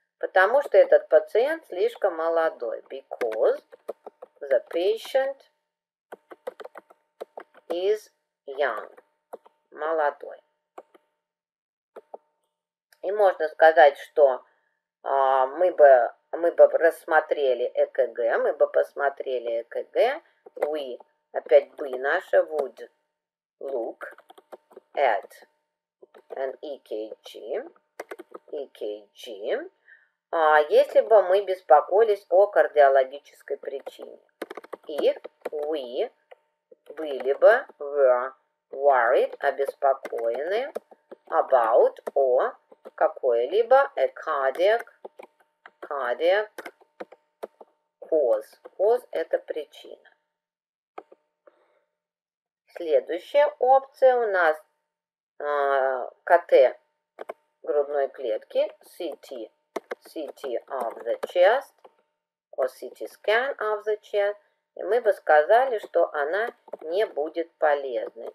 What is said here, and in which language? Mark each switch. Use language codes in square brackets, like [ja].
[ru] Потому что этот пациент слишком молодой. [en] Because the patient is young. [ru] Молодой. И можно сказать, что мы бы рассмотрели ЭКГ, мы бы посмотрели ЭКГ. [en] We, [ru] опять бы наша, [en] would look at an EKG, EKG, [ru] если бы мы беспокоились о кардиологической причине. [en] If we [ru] были бы, [en] were worried, [ru] обеспокоены [en] about, [ru] о какой-либо [en] a cardiac cause. [ru] Cause – это причина. Следующая опция у нас КТ грудной клетки, [en] CT of the chest, or CT scan of the chest. [ru] И мы бы сказали, что она не будет полезной.